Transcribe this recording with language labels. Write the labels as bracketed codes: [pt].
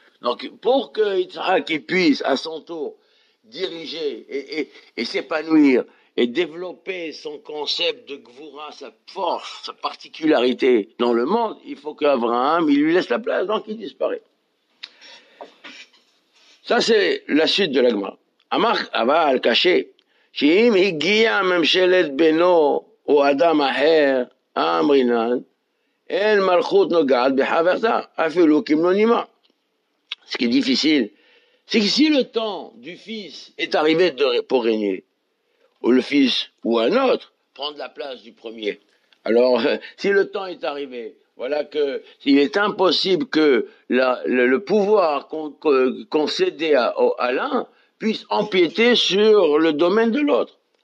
[fr] Donc, pour que Yitzhak, il puisse, à son tour, diriger et s'épanouir et développer son concept de Gvura, sa force, sa particularité dans le monde, il faut qu'Abraham, il lui laisse la place, donc il disparaît. Ça, c'est la suite de l'Agma. Amar, aval, caché. [he] שאם הגיע ממשלת בנו או אדם אחר, אמרינן, אין מלכות נוגעת בחברתה, אפילו כמלונימה. [fr] Ce qui est difficile, c'est que si le temps du fils est arrivé pour régner, ou le fils ou un autre prendre la place du premier, alors si le temps est arrivé, voilà que il est impossible que le pouvoir concédé à l'un puisse empiéter sur le domaine de l'autre.